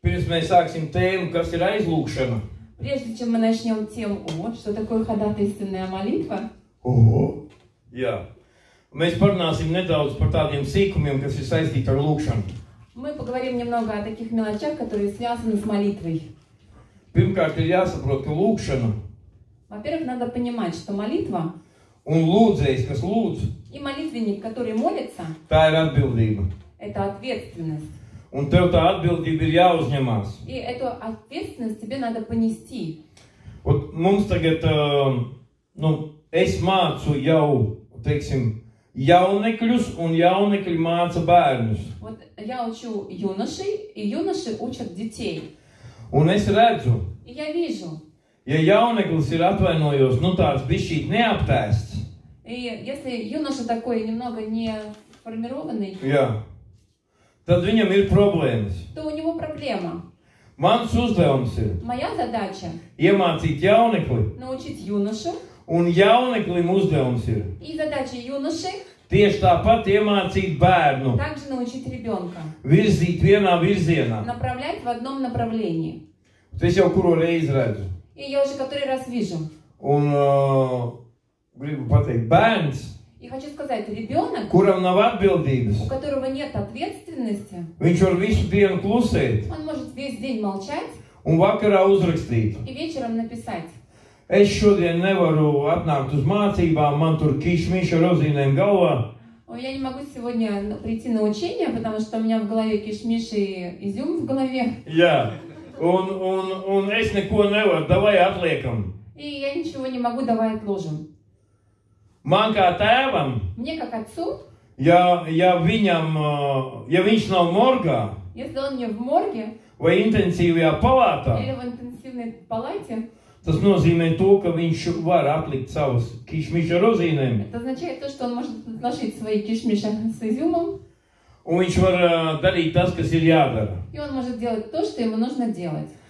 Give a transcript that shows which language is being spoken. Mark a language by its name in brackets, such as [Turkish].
[Latvian] mēs sāksim tēmu, kas ir aizlūkšana. [Russian] Прежде чем мы начнём тему, что такое ходатайственная молитва? [Latvian] Jā. Mēs parunāsim nedaudz par tādiem sīkumiem, kas ir saistīti ar lūkšanu. [Russian] Мы поговорим немного о таких мелочах, которые связаны с молитвой. [Latvian] Pirmkārt, ir jāsaprot, ka lūkšana. [Russian] Во-первых, надо понимать, что молитва. [Latvian] Un lūdzējs, kas lūdz. [Russian] И молитвенник, который молится. [Latvian] Tā ir atbildība. [Russian] Это ответственность. [Latvian] Un tev tā atbildība ir jāuzņemās. [Russian] И эту ответственность тебе надо понести. Вот [Latvian] mums tagad, nu, es mācu jau, teiksim, jaunekļus un jaunekļi māca bērnus. [Russian] Вот я учу юношей, и юноши учат детей. [Latvian] Un es redzu. [Russian] И я вижу. [Latvian] Ja jauneklis ir atvainojos, nu tāds bišķīt neaptēsts. [Russian] И если юноша такой немного не формированный. [Latvian] Jā. Tad viņam ir problēmas. [Russian] То у него проблема. [Latvian] Mans uzdevums ir. [Russian] Моя задача. [Latvian] Iemācīt jaunekli. [Russian] Научить юношу. [Latvian] Un jauneklim uzdevums ir. [Russian] И задача юноши. [Latvian] Tieši tāpat iemācīt bērnu. [Russian] Также научить ребёнка. [Latvian] Virzīt vienā virzienā. [Russian] Направлять в одном направлении. [Latvian] Es jau kuro reizi redzu. [Russian] И я уже который раз вижу. [Latvian] Un gribu pateikt bērns. [Russian] И хочу сказать, ребёнок, [Latvian] kuram nav atbildības, [Russian] у которого нет ответственности, [Latvian] viņš var visu dienu klusēt, [Russian] он может весь день молчать, [Latvian] un vakarā uzrakstīt, [Russian] и вечером написать. [Latvian] Es šodien nevaru atnākt uz mācībām, man tur kišmiš ar rozīnēm galvā. [Russian] Я не могу сегодня прийти на учение, потому что у меня в голове кишмиш и изюм в голове. [Latvian] Jā, un es neko nevaru, davai atliekam. [Russian] И я ничего не могу, давай отложим. [Latvian] Man kā tēvam, [Russian] мне как отцу, [Latvian] ja viņš nav morgā, [Russian] если он не в морге, [Latvian] vai intensīvajā palātā, [Russian] или в интенсивной палате, [Latvian] tas nozīmē to, ka viņš var atlikt savus kišmiša rozīnēm. [Russian] Это означает то, что он может отложить свои кишмиши с изюмом. [Latvian] Un viņš var darīt tas, kas ir jādara. [Russian] И он может делать то, что ему нужно делать.